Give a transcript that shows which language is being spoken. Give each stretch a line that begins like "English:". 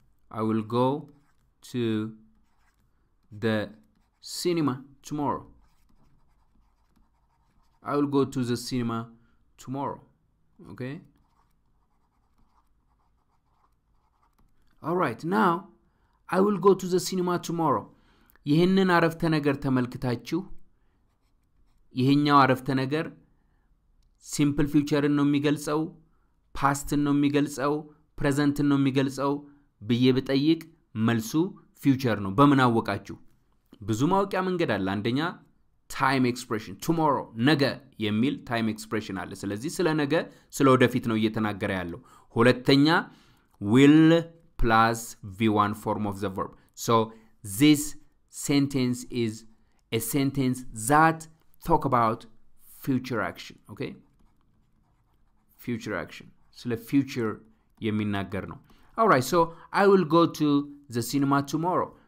English: I will go to the cinema tomorrow. I will go to the cinema tomorrow. Okay? All right. Now, I will go to the cinema tomorrow.
Amharic: ይህንን አረፍተ ነገር ተመልክታችሁ ይሄኛው አረፍተ ነገር simple future ነው የሚገልጸው past ነው የሚገልጸው present ነው የሚገልጸው ብዬ ብጠይቅ መልሱ future ነው። በምን አወቃችሁ? ብዙ ማወቂያ መንገድ አለ። አንደኛ time expression tomorrow ነገ የሚል time expression አለ። ስለዚህ ስለ ነገ ስለ ወደፊት ነው እየተናገረ ያለው። ሁለተኛ will plus v1 form of the verb.
English: So this sentence is a sentence that talk about future action. Okay? Future action.
Amharic: ስለ future የሚናገር ነው።
English: All right, so I will go to the cinema tomorrow.